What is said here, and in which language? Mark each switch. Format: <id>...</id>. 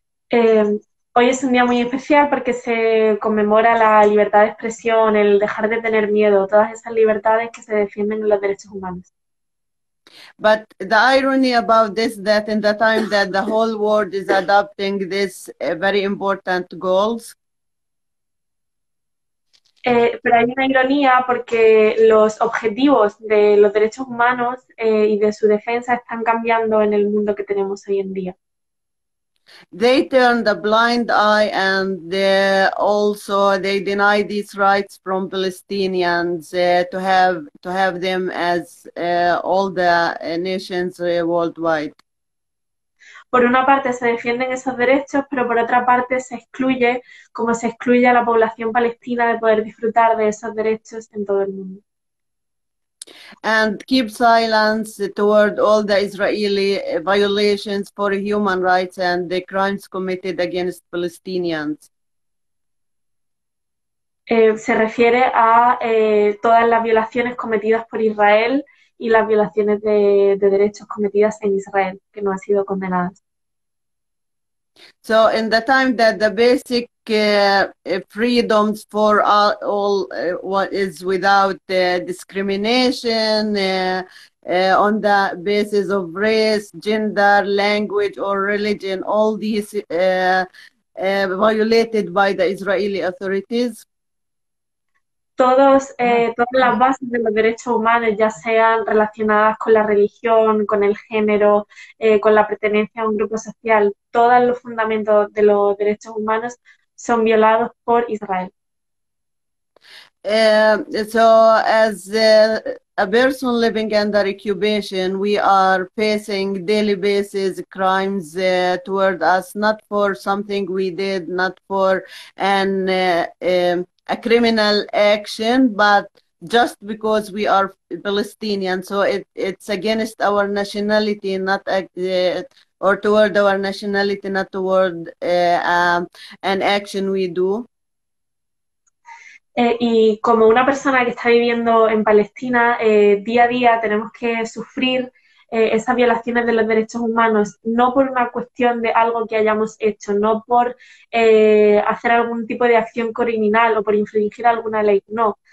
<es>Hoy es un día muy especial porque se conmemora la libertad de expresión, el dejar de tener miedo, todas esas libertades que se defienden en los derechos humanos.</es> <en>But the irony about this, that in the time that the whole world is adopting this very important goals.</en> <es>Pero hay una ironía porque los objetivos de los derechos humanos y de su defensa están cambiando en el mundo que tenemos hoy en día.</es> <en>They turn the blind eye and also they deny these rights from Palestinians to have them as all the nations worldwide.</en> <es>Por una parte se defienden esos derechos, pero por otra parte se excluye, como se excluye a la población palestina de poder disfrutar de esos derechos en todo el mundo.</es> <en>And keep silence toward all the Israeli violations for human rights and the crimes committed against Palestinians.</en> <es>Se refiere a todas las violaciones cometidas por Israel y las violaciones de derechos cometidas en Israel, que no han sido condenadas.</es> <en>So in the time that the basic freedoms for all what is without discrimination on the basis of race, gender, language, or religion, all these violated by the Israeli authorities.</en> <es>Todos, todas las bases de los derechos humanos, ya sean relacionadas con la religión, con el género, con la pertenencia a un grupo social, todos los fundamentos de los derechos humanos son violados por Israel.</es> <en>So as a person living under incubation, we are facing daily basis crimes toward us, not for something we did, not for an a criminal action, but just because we are Palestinian. So it's against our nationality, not or toward our nationality, not toward an action we do.</en> <es>Y como una persona que está viviendo en Palestina, día a día tenemos que sufrir esas violaciones de los derechos humanos, no por una cuestión de algo que hayamos hecho, no por hacer algún tipo de acción criminal o por infringir alguna ley, no.</es>